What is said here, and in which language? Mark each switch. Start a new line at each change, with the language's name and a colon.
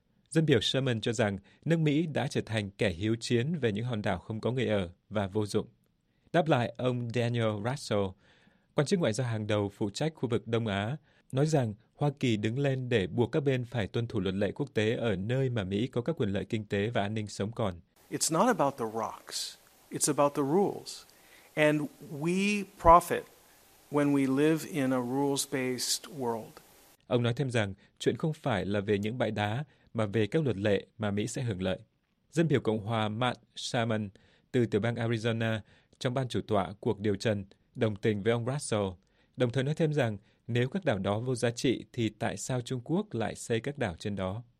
Vietnamese: Dân biểu Sherman cho rằng nước Mỹ đã trở thành kẻ hiếu chiến về những hòn đảo không có người ở và vô dụng. Đáp lại ông Daniel Russell, quan chức ngoại giao hàng đầu phụ trách khu vực Đông Á, nói rằng Hoa Kỳ đứng lên để buộc các bên phải tuân thủ luật lệ quốc tế ở nơi mà Mỹ có các quyền lợi kinh tế và an ninh sống còn.
English: It's not about the rocks, it's about the rules. And we profit when we live in a rules-based world.
Vietnamese: Ông nói thêm rằng chuyện không phải là về những bãi đá mà về các luật lệ mà Mỹ sẽ hưởng lợi. Dân biểu Cộng hòa Matt Shaman từ tiểu bang Arizona trong ban chủ tọa cuộc điều trần đồng tình với ông Russell, đồng thời nói thêm rằng nếu các đảo đó vô giá trị thì tại sao Trung Quốc lại xây các đảo trên đó?